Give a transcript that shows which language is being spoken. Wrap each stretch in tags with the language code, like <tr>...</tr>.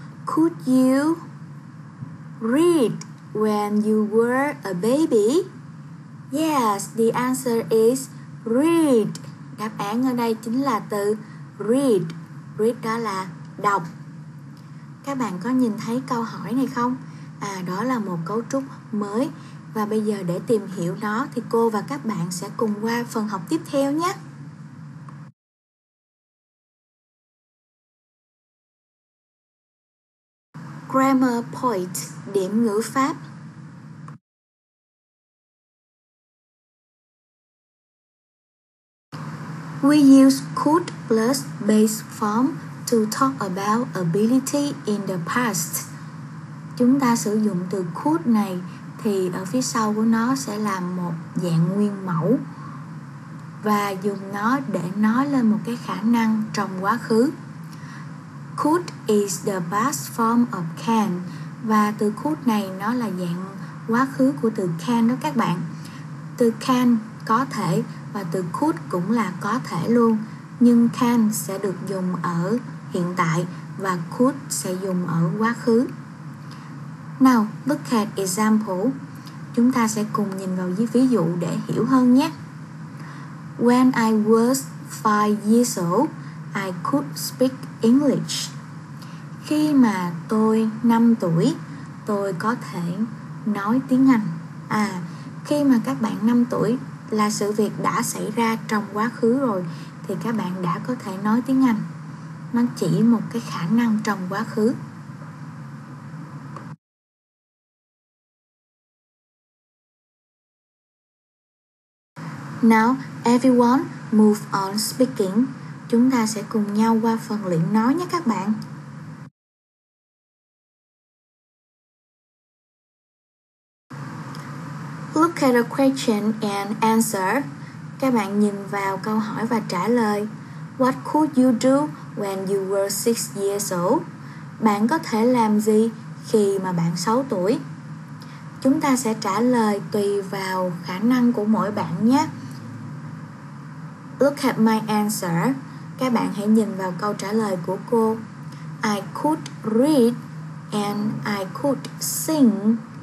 <en>Could you read when you were a baby? Yes, the answer is read.</en> <vi>Đáp án ở đây chính là từ read. Read đó là đọc. Các bạn có nhìn thấy câu hỏi này không? À, đó là một cấu trúc mới. Và bây giờ để tìm hiểu nó thì cô và các bạn sẽ cùng qua phần học tiếp theo nhé.</vi> <en>Grammar point,</en> <vi>điểm ngữ pháp.</vi> <en>We use could plus base form to talk about ability in the past.</en> <vi>Chúng ta sử dụng từ could này thì ở phía sau của nó sẽ là một dạng nguyên mẫu và dùng nó để nói lên một cái khả năng trong quá khứ.</vi> <en>Could is the past form of can.</en> <vi>Và từ could này nó là dạng quá khứ của từ can đó các bạn. Từ can có thể và từ could cũng là có thể luôn. Nhưng can sẽ được dùng ở hiện tại và could sẽ dùng ở quá khứ.</vi> <en>Now, look at example.</en> <vi>Chúng ta sẽ cùng nhìn vào dưới ví dụ để hiểu hơn nhé.</vi> <en>When I was 5 years old, I could speak English.</en> <vi>Khi mà tôi 5 tuổi, tôi có thể nói tiếng Anh. À, khi mà các bạn 5 tuổi là sự việc đã xảy ra trong quá khứ rồi, thì các bạn đã có thể nói tiếng Anh. Nó chỉ một cái khả năng trong quá khứ.</vi> <en>Now, everyone move on speaking.</en> <vi>Chúng ta sẽ cùng nhau qua phần luyện nói nhé các bạn.</vi> <en>Look at a question and answer.</en> <vi>Các bạn nhìn vào câu hỏi và trả lời.</vi> <en>What could you do when you were 6 years old?</en> <vi>Bạn có thể làm gì khi mà bạn 6 tuổi? Chúng ta sẽ trả lời tùy vào khả năng của mỗi bạn nhé.</vi> <en>Look at my answer.</en> <vi>Các bạn hãy nhìn vào câu trả lời của cô.</vi> <en>I could read and I could sing.</en>